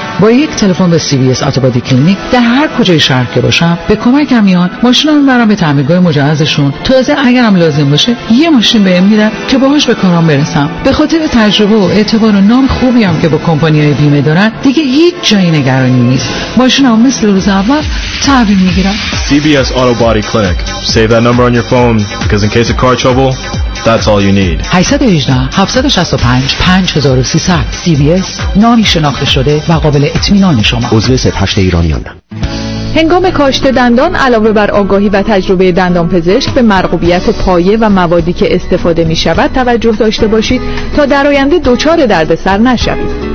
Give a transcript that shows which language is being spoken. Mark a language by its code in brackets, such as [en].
[fa] با یک تلفن به سی وی اس اتوبادی کلینیک در هر کجای شهر که باشم به کمک میان، ماشینم برام به تعمیرگاه مجهزشون، تازه اگرم لازم باشه یه ماشین به ام میدن که باهاش به کارام برسم. به خاطر تجربه و اعتبار و نام خوبی هم که با کمپانیای بیمه دارن دیگه هیچ جایی نگرانی نیست. ماشینم مثل روز اول تعویض میگیرم. سی وی اس اتوبادی کلینیک. [en] Save that number on your phone because in case of car trouble, that's all you need. [fa] 818-765-5300 سی وی اس، نامی شناخته شده و قابل اطمینان شما. عضو ۳۸ ایرانیان. هنگام کاشت دندان علاوه بر آگاهی و تجربه دندانپزشک به مرغوبیت پایه و موادی که استفاده می شود توجه داشته باشید تا در آینده دچار دردسر نشوید.